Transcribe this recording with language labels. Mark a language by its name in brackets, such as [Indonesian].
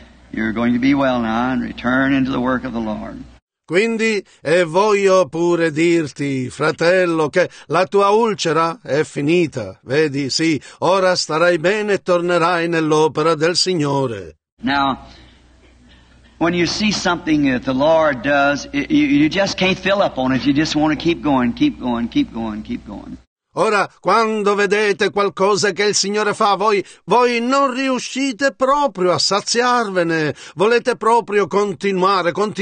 [English] You're going to be well now and return into the work of the Lord. [Italian] Quindi, e voglio pure dirti, fratello, che la tua ulcera è finita. Vedi, sì, ora starai bene e tornerai nell'opera del Signore. [English] Now, when you see something that the Lord does, you just can't fill up on it. You just want to keep going, keep going, keep going, keep going. [Italian] Ora, quando vedete qualcosa che il Signore fa, voi non riuscite proprio a saziarvene. Volete proprio continuare.